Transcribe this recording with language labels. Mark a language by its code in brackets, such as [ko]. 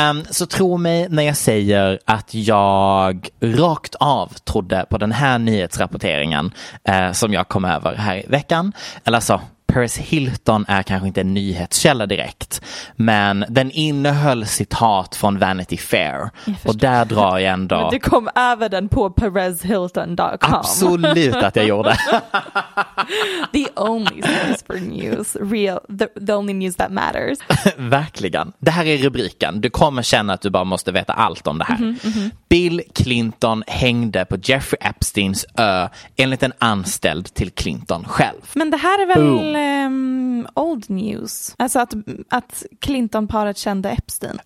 [sv] Så tro mig när jag säger att jag rakt av trodde på den här nyhetsrapporteringen som jag kom över här i veckan. Eller så, Paris Hilton är kanske inte en nyhetskälla direkt. Men den innehöll citat från Vanity Fair. Och där drar jag ändå... Men du kom över den på perezhilton.com. Absolut att jag gjorde. [en] The only source for news. Real. The only news that matters. [sv] Verkligen. Det här är rubriken. Du kommer känna att du bara måste veta allt om det här. Mm-hmm. Bill Clinton hängde på Jeffrey Epsteins ö enligt en anställd till Clinton själv. Men det här är väl... [en] Boom. Old news. [sv] Alltså att Clinton-paret kände Epstein.